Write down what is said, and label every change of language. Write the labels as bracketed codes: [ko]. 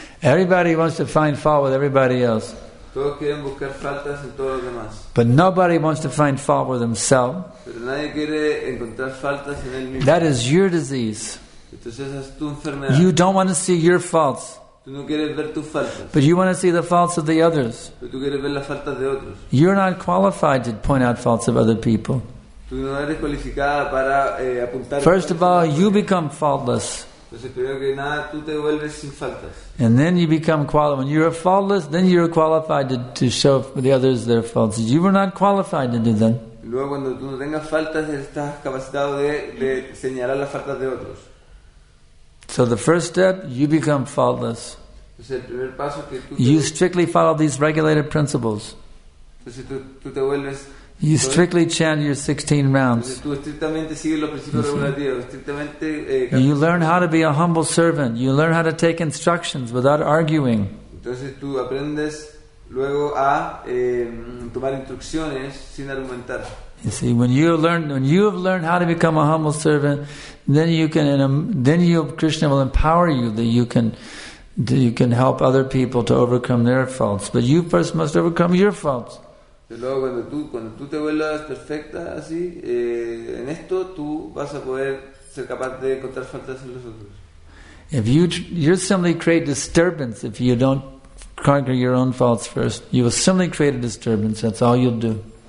[en] Everybody wants to find fault with everybody else. [es] Todos quieren buscar faltas en todos los demás. [en] But nobody wants to find fault with himself. [es] Pero nadie quiere encontrar faltas en él mismo. [en] That is your disease. [es] Entonces, esa es tu [en] enfermedad. You don't want to see your faults. [es] Tú no quieres ver tus faltas. [en] But you want to see the faults of the others. [es] Pero tú quieres ver las faltas de otros. [en] You're not qualified to point out faults of other people. [es] Tú no eres cualificada para, apuntar. [en] First of all, you become faultless. [es] Entonces, primero que nada, tú te vuelves sin faltas. [en] And then you become qualified. When you're faultless, then you're qualified to show the others their faults. You were not qualified to do that. [es] Luego, cuando tú no tengas faltas, estás capacitado de señalar las faltas de otros. [en] So the first step, you become faultless. [es] Entonces, el primer paso que tú [en] you strictly follow these regulated principles. [es] Entonces, tú te vuelves. [en] You strictly chant your 16 rounds. [es] Entonces, tú estrictamente sigues los principios regulativos. Estrictamente, [en] you learn how to be a humble servant. You learn how to take instructions without arguing. [es] Entonces tú aprendes luego a tomar instrucciones sin argumentar. [en] You see, when you have learned how to become a humble servant, then you can, Krishna will empower you that you can help other people to overcome their faults. But you first must overcome your faults. [es] Y luego cuando tú te vuelvas perfecta así, en esto tú vas a poder ser capaz de encontrar faltas en los otros. [en] If you simply create disturbance if you don't conquer your own faults first, you will simply create a disturbance. That's all you'll do.